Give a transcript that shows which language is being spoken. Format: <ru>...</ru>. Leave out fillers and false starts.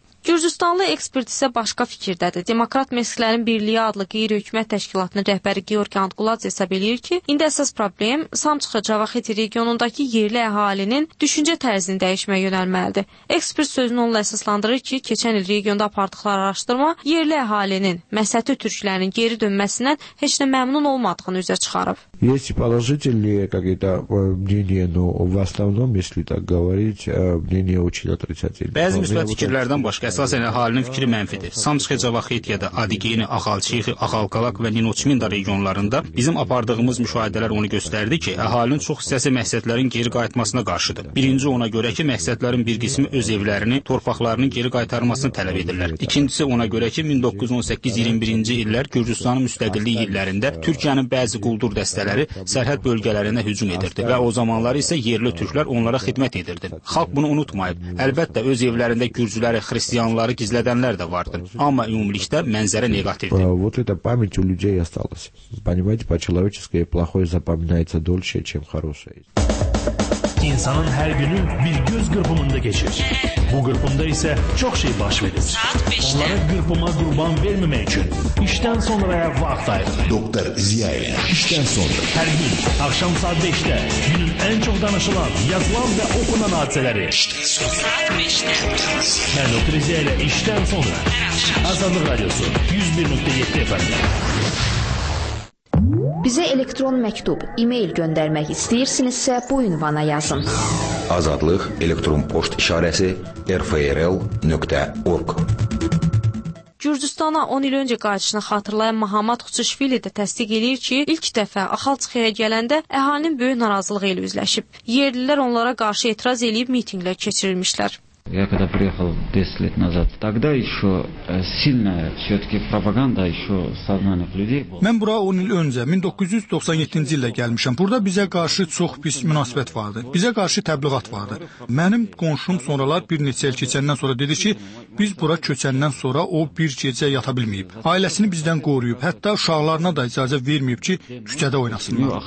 <az>Gürcüstanlı ekspert isə başqa fikirdədir. Demokrat Mesklərin Birliyi adlı qeyri-hökumət təşkilatının rəhbəri Georg Antqulac hesab edir ki, indi əsas problem Samçıxı-Cavaxeti regionundakı yerli əhalinin düşüncə tərzini dəyişməyə yönəlməlidir. Ekspert sözünü onunla əsaslandırır ki, keçən il regionda apardıqları araşdırma yerli əhalinin, məsəti türklərinin geri dönməsindən heç nə məmnun olmadığını üzə çıxarıb.</az> <ru>Есть положительные какие-то мнения, но в основном, если так говорить, мнения очень отрицательные.</ru> <az>Бәзі мүсбәт фикірлерден башқа əsasən əhalinin fikri mənfidir. Samsxə, Cavaxetiyədə, Adigeyni, Axalçixi, Axalqalaq və Ninoçminda regionlarında bizim apardığımız müşahidələr onu göstərdi ki, əhalinin çox hissəsi məhsətlərin geri qayıtmasına qarşıdır. Birinci ona görə ki, məhsətlərin bir qismi öz evlərini, torpaqlarının geri qaytarmasını tələb edirlər. İkincisi ona görə ki, 1918-21-ci illər Gürcüstanın müstəqilliyi illərində Türkiyənin bəzi quldur dəstələri sərhəd bölgələrinə hücum edirdi və o zamanlar isə yerli türklər onlara xidmət edirdi. Xalq bunu unutmayıb. Əlbəttə öz evlərində gürcüləri, xristianları gizlədənlər də vardı. Amma ümumilikdə mənzərə neqativdir.</az> <ru>Вот это память у людей осталась. Понимаете, по-человеческое плохое запоминается дольше, чем хорошее.</ru> <az>İnsanın hər günü bir göz qırpımında keçir. Bu qırpımda isə çox şey baş verir. Onlara qırpıma qurban verməmək üçün işdən sonra vaxt ayırır. Doktor Ziya ilə işdən sonra. Hər gün, axşam saat 5-də günün ən çox danışılan, yazılan və oxunan hadisələri. Mən Doktor Ziya ilə işdən sonra. Azadlıq Radiosu 101.7 FM-də. Bizə elektron məktub, e-mail göndərmək istəyirsinizsə, bu ünvana yazın. Azadlıq elektron poçt işarəsi rfrl.org. Gürcüstana 10 il öncə qayıtışını xatırlayan Mahamat Xuçuşvili də təsdiq edir ki, ilk dəfə Axalçıxıya gələndə əhalinin böyük narazılığı ilə üzləşib. Yerlilər onlara qarşı etiraz eləyib mitinglər keçirilmişlər.</az> <ru>Я когда приехал 10 лет назад, тогда еще сильная все-таки пропаганда еще сознанных людей была.</ru> <az>Мен бура 10 il önce 1997-ci ildə gəlmişəm. Burada bizə qarşı çox pis münasibət vardı. Bizə qarşı təbliğat vardı. Mənim qonşum sonralar bir neçə il keçəndən sonra dedi ki, biz bura köçəndən sonra o bir gecə yata bilməyib. Ailəsini bizdən qoruyub, hətta uşaqlarına da icazə verməyib ki, küçədə oynasınlar.</az>